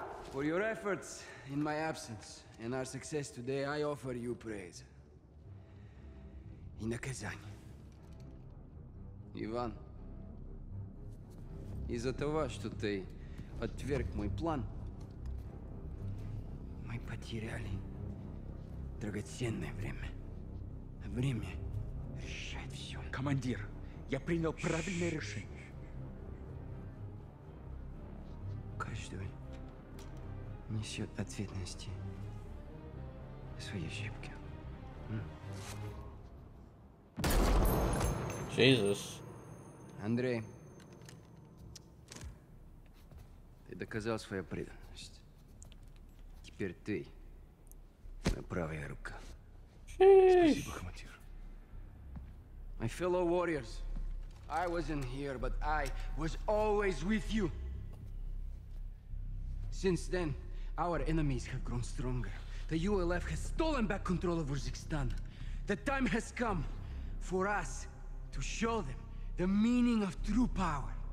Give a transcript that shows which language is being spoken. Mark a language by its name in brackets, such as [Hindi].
[English] For your efforts in my absence and our success today, I offer you praise. [Russian] И наказание. Иван, из-за того, что ты отверг мой план, мы потеряли драгоценное время. Время решает все. Командир, я принял правильное решение. Каждый несет ответственности за свои ошибки. [English] Jesus. [Russian] Андрей, ты доказал свою преданность. Теперь ты моя правая рука. Спасибо, командир. [English] My fellow warriors, I wasn't here, but I was always with you. Since then, our enemies have grown stronger. The ULF has stolen back control of Uzbekistan. The time has come for us to show them the meaning of true power.